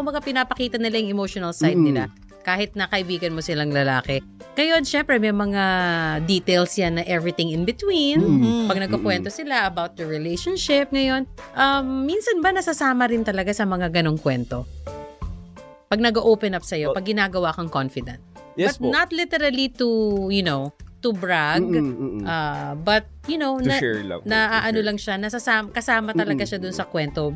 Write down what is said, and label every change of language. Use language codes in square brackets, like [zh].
[tl] Kumbaga pinapakita nila yung emotional side nila kahit na kaibigan mo silang lalaki. Ngayon, syempre, may mga details yan na [en] everything in between. [tl] Pag nagkukwento sila [en] about the relationship [tl] ngayon, minsan ba nasasama rin talaga sa mga ganong kwento? Pag nag-open up sa'yo, pag ginagawa kang confident. [en] Yes, but not literally to, you know, to brag. But, you know, [tl] kasama talaga siya dun sa kwento.